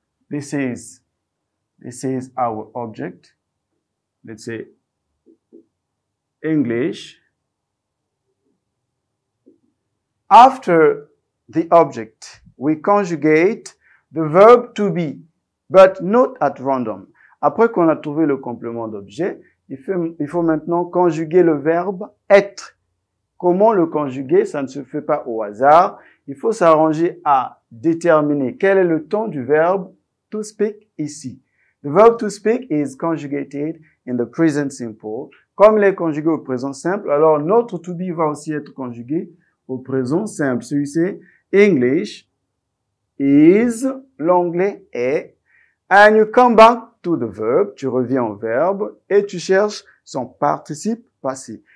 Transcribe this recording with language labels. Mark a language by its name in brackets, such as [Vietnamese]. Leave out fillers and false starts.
[English] This is our object. Let's say English. After the object, we conjugate the verb to be, but not at random. [French] Après qu'on a trouvé le complément d'objet, il faut maintenant conjuguer le verbe être. Comment le conjuguer? Ça ne se fait pas au hasard. Il faut s'arranger à déterminer quel est le ton du verbe to speak ici. [English] The verb to speak is conjugated in the present simple. [French] Comme il est conjugué au présent simple, alors notre to be va aussi être conjugué au présent simple. [English] So you say, English is, [French] l'anglais est, [English] and you come back to the verb, [French] tu reviens au verbe et tu cherches son participe passé.